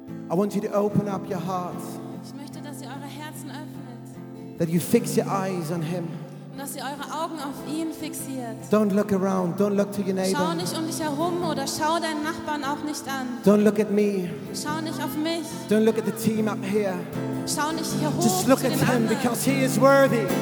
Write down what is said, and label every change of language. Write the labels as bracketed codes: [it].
[en] I want you to open up your hearts. [de] Ich möchte, dass ihr eure Herzen öffnet. [en] That you fix your eyes on him. [de] Und dass ihr eure Augen auf ihn fixiert. [en] Don't look around. Don't look to your neighbor. [de] Schau nicht um dich herum oder schau deinen Nachbarn auch nicht an. [en] Don't look at me. [de] Schau nicht auf mich. [en] Don't look at the team up here. [de] Schau nicht hier hoch. [en] Just look at him, because he is worthy.